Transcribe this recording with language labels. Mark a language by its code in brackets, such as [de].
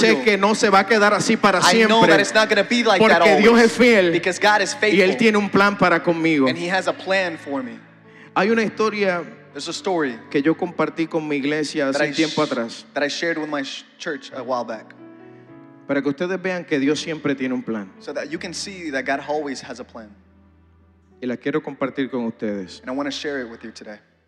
[es] yo sé que no se va a quedar así para siempre. [en] It's not going to be like [es] porque [en] that always [es] Dios es fiel, [en] because God is faithful [es] y él tiene un plan para conmigo. [en] And he has a plan for me. [es] Hay una historia, [en] there's a story [es] que yo compartí con mi iglesia hace tiempo atrás, [en] that I shared with my church a while back, [es] para que ustedes vean que Dios siempre tiene un plan, [en] so that you can see that God always has a plan. [es] Y la quiero compartir con ustedes. [en] And I want to share it with you today.